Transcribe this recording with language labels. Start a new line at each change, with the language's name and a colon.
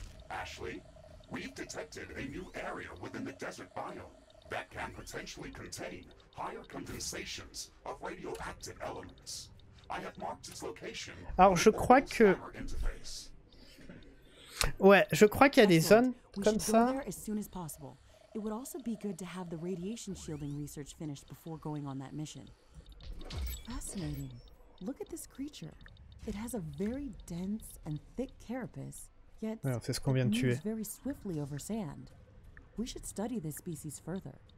English: Ashley, we've detected a new area within the desert biome that can potentially contain higher condensations of radioactive elements. I have marked its location.
French: Alors je crois que... Ouais, je crois qu'il y a des zones comme ça.
English: It would also be good to have the radiation shielding research finished before going on that mission. Fascinating. Look at this creature. It has a very dense and thick carapace, yet
French: c'est ce qu'on vient de tuer.
English: It moves very swiftly over sand. We should study this species further.